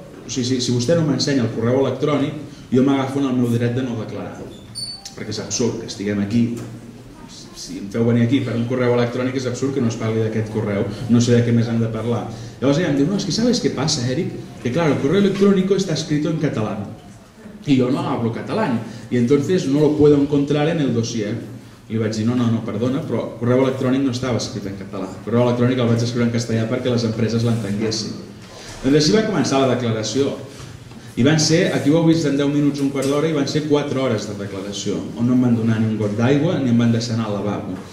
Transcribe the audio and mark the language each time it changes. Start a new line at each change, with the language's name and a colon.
Catalan: O sigui, si vostè no m'ensenya el correu electrònic, jo m'agafo en el meu dret de no declarar-ho. Perquè és absurd que estiguem aquí. Si em feu venir aquí per un correu electrònic, és absurd que no es parli d'aquest correu. No sé de què més hem de parlar. Llavors ella em diu, no, és que
Spanish: sabes
Catalan: què passa, Eric?
Spanish: Que claro,
Catalan: el correu electrònic està escrit en català. I jo no
Spanish: hablo
Catalan: català.
Spanish: I entonces no lo puedo encontrar en el dossier.
Catalan: Li vaig dir, no, perdona, però el correu electrònic no estava escrit en català. El correu electrònic el vaig escriure en castellà perquè les empreses l'entenguessin. Doncs així va començar la declaració. I van ser, aquí ho heu vist en 10 minuts, un quart d'hora, i van ser 4 hores de declaració, on no em van donar ni un got d'aigua ni em van deixar anar al lavabo.